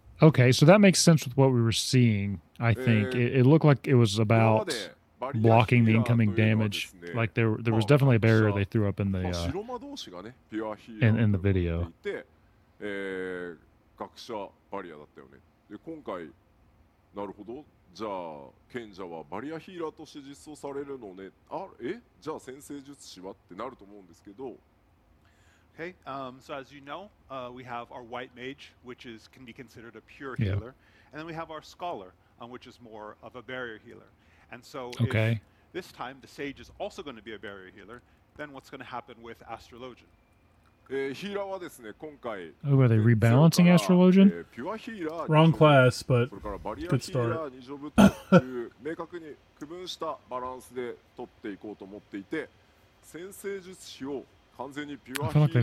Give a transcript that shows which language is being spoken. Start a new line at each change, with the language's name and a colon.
English: Okay, so that makes sense with what we were seeing, I think. It looked like it was about blocking the incoming damage. Like there was definitely a barrier they threw up in the video.
Japanese: じゃあ賢者はバリアヒーラーとして実装されるのね。あ、え、じゃあ先制術師はってなると思うんですけど。
English: Okay, so as you know, we have our white mage, which is can be considered a pure healer, and then we have our scholar, which is more of a barrier healer. And so, okay, this time the sage is also going to be a barrier healer. Then what's going to happen with astrologian?
Japanese: ヒーラーはですね、今回。
English: Oh, are they rebalancing astrologian? Wrong class, but good start.
Japanese: 明確に区分したバランスで取っていこうと思っていて、先制術師を完全にピュアヒーラーに。